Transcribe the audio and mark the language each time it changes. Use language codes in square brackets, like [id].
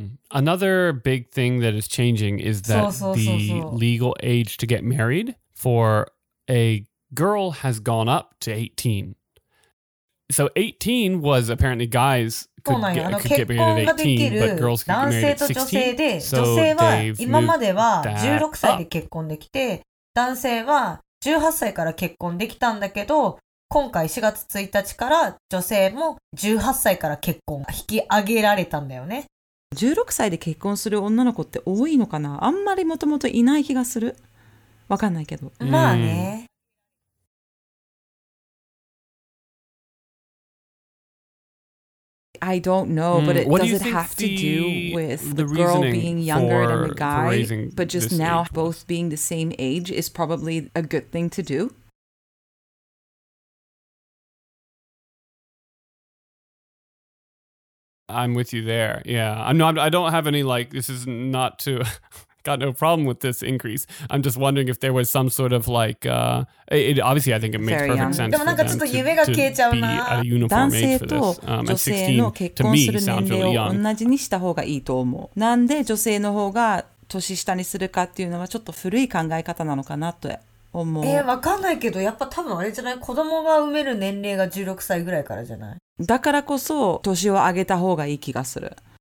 [en] Another big thing that is changing is that the legal age to get married for a girl has gone up to 18. So 18 was apparently guys could get married at 18, but girls could get married at 16. So they've moved that up. [ja] 男性は18歳から結婚できたんだけど、今回4月1日から女性も18歳から結婚が引き上げられたんだよね。 16歳で結婚する女の子って多いのかな？あんまりもともといない気がする。わかんないけど、まあね。 [en] I don't know, but it, does it have to do with the girl being younger than the guy, but just now both being the same age is probably a good thing to do? I'm with you there. Yeah, I don't have any, like, this is not to... got no problem with this increase. I'm just wondering if there was some sort of like, it, obviously I think it makes perfect sense for them to be a uniform age for this. At 16, to me, sounds really young. [ja] 男性と女性の結婚する年齢を同じにした方がいいと思う。なんで女性の方が年下にするかっていうのはちょっと古い考え方なのかなと思う。わかんないけど、やっぱ多分あれじゃない？子供が産める年齢が16歳ぐらいからじゃない？だからこそ年を上げた方がいい気がする。